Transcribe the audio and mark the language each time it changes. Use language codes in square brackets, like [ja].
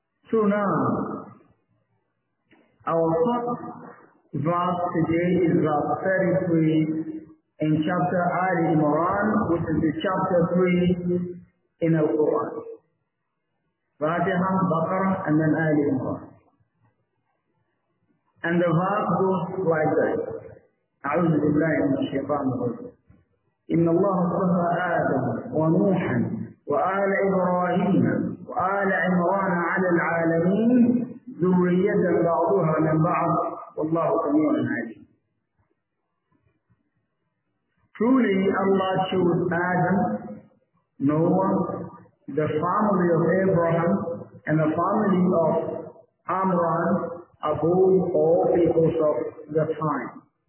[en] So now, our first verse today is verse 33 in chapter Ali Imran, which is the chapter 3 in the Quran. Fatiha, Baqarah, and then Ali Imran. And the verse goes like this. [ar] أعوذ بالله من الشيطان الرجيم. إن الله اصطفى آدم ونوحا وآل إبراهيم وآل عمران على العالمين ذرية بعضها من بعض والله سميع عليم. [en] Truly Allah chose Adam, Noah, the family of Abraham, and the family of Amran above all peoples of the time.